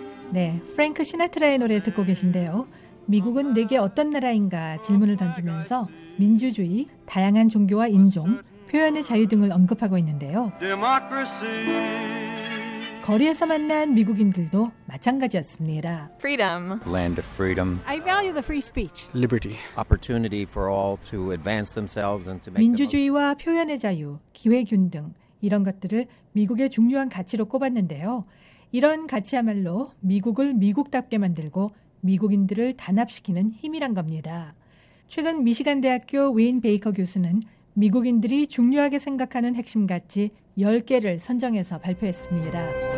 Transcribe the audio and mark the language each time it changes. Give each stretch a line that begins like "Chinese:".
Korean: 네, 프랭크 시나트라의 노래 듣고 계신데요. 미국은 내게 어떤 나라인가 질문을 던지면서 민주주의, 다양한 종교와 인종, 표현의 자유 등을 언급하고 있는데요.
English: Democracy. 거리에서 만난 미국인들도 마찬가지였습니다. Freedom. Land of freedom. I value the free speech. Liberty. Opportunity for all to advance themselves and to make
Korean: 민주주의와 표현의 자유, 기회균등 이런 것들을 미국의 중요한 가치로 꼽았는데요. 이런 가치야말로 미국을 미국답게 만들고 미국인들을 단합시키는 힘이란 겁니다. 최근 미시간 대학교 웨인 베이커 교수는 미국인들이 중요하게 생각하는 핵심 가치 10개를 선정해서 발표했습니다.